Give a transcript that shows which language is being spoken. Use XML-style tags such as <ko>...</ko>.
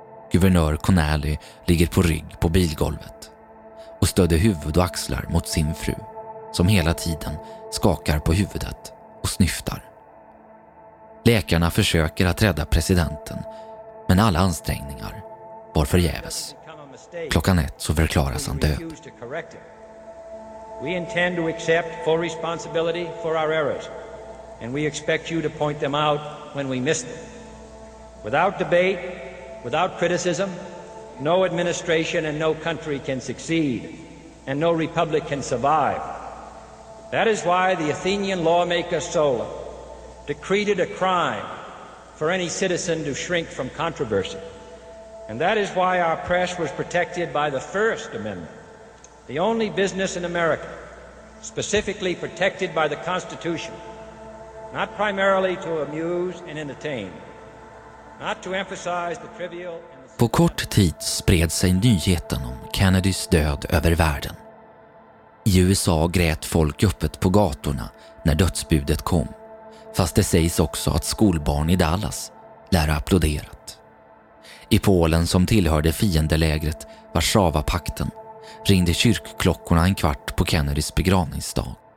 <sv>Guvernör Connally ligger på rygg på bilgolvet och stöder huvud och axlar mot sin fru som hela tiden skakar på huvudet och snyftar. Läkarna försöker att rädda presidenten, men alla ansträngningar var förgäves. Klockan ett så förklaras han död.</sv> <en>We intend to accept full responsibility for our errors, and we expect you to point them out when we miss them. Without debate, without criticism, no administration and no country can succeed, and no republic can survive. That is why the Athenian lawmaker Solon decreed it a crime for any citizen to shrink from controversy. And that is why our press was protected by the First Amendment, the only business in America specifically protected by the Constitution, not primarily to amuse and entertain, not to emphasize the trivial.</en> <sv>På kort tid spred sig nyheten om Kennedys död över världen. I USA grät folk öppet på gatorna när dödsbudet kom, fast det sägs också att skolbarn i Dallas lär applåderat. I Polen, som tillhörde fiendelägret Warszawapakten, ringde kyrkklockorna en kvart på Kennedys begravningsdag.</sv>